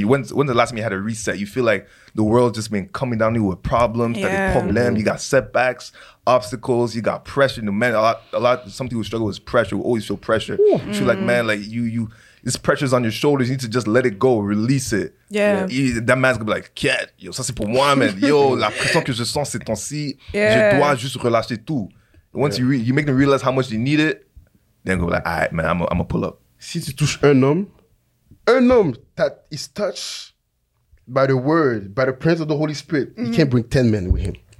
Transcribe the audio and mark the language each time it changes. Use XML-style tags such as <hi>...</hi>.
<en>When's the last time you had a reset? You feel like the world's just been coming down to you with problems, that it's problem, you got setbacks, obstacles, you got pressure. You know, man, a lot, something we struggle with is pressure. We always feel pressure. You feel like, man, like, you, this pressure's on your shoulders. You need to just let it go, release it. Yeah. That man's gonna be like, quiet. Yo,</en> <fr>ça c'est pour moi,</fr> <en>man.</en> <fr>Yo, la pression que je sens ces temps-ci, je dois juste relâcher tout.</fr> <en>And once you make them realize how much they need it, then go like, all right, man, I'm gonna pull up.</en> <fr>Si tu touches un homme</fr> <en>that is touched by the word, by the presence of the Holy Spirit, he can't bring 10 men with him.</en>